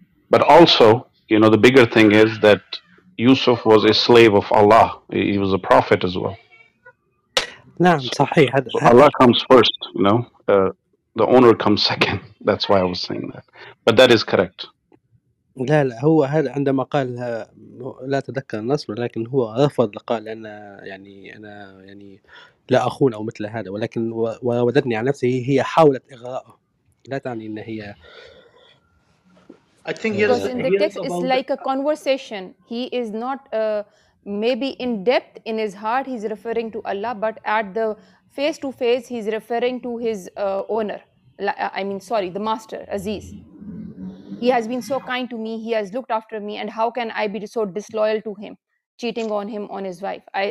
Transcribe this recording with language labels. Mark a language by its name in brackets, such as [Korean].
[English] But also, you know, the bigger thing is that Yusuf was a slave of Allah. He was a prophet as well. [Arabic] نعم, صحيح. [English] So Allah comes first, you know. The owner comes second. That's why I was saying that. But that is correct. [Arabic] لا لا هو هذا عندما قال لا تذكر النص ولكن هو رفض قال أنا يعني أنا يعني لا أخون أو مثل هذا ولكن وراودتني على نفسه هي حاولت إغراءه لا تعني إن هي [English] I think because in the text it's like a conversation he is not maybe in depth in his heart he's referring to Allah but at the face to face he's referring to his owner I mean sorry the master Aziz he has been so kind to me he has looked after me and how can I be so disloyal to him cheating on him on his wife